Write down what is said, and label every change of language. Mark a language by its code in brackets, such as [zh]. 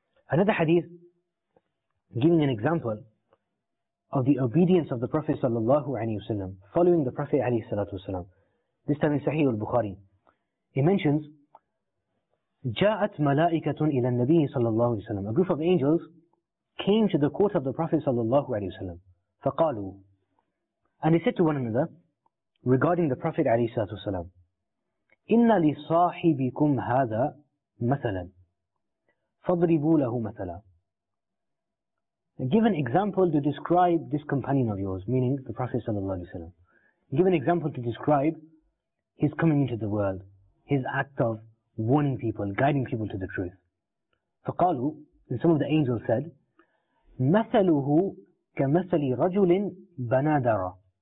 [en] Another hadith, giving an example of the obedience of the Prophet ﷺ, following the Prophet ﷺ, this time in Sahih al-Bukhari, he mentions, [ar] جاءت ملائكة إلى النبي صلى الله عليه وسلم. [en] A group of angels came to the court of the Prophet صلى الله عليه وسلم. [ar] فقالوا, [en] and they said to one another regarding the Prophet [ar] عليه الصلاة والسلام, إن لصاحبكم هذا مثلا فضربوا له مثلا. [en] Give an example to describe this companion of yours, meaning the Prophet صلى الله عليه وسلم. Give an example to describe his coming into the world, his act of warning people, guiding people to the truth. [ar] فَقَالُوا, [en] and some of the angels said, [ar] مَثَلُهُ كَمَثَلِ رَجُلٍ بَنَى دَرَى.